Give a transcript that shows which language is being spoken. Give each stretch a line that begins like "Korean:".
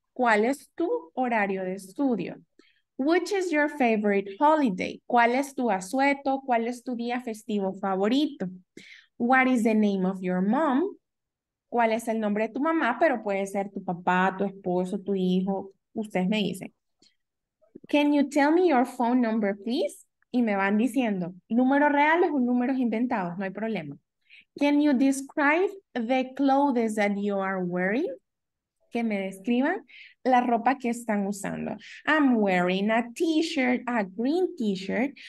Spanish: ¿Cuál es tu horario de estudio?
English: Which is your favorite holiday?
Spanish: ¿Cuál es tu asueto? ¿Cuál es tu día festivo favorito?
English: What is the name of your mom?
Spanish: ¿Cuál es el nombre de tu mamá? Pero puede ser tu papá, tu esposo, tu hijo. Ustedes me dicen.
English: Can you tell me your phone number, please?
Spanish: Y me van diciendo, números reales o números inventados, no hay problema.
English: Can you describe the clothes that you are wearing?
Spanish: que me describan la ropa que están usando.
English: I'm wearing a t-shirt, a green t-shirt.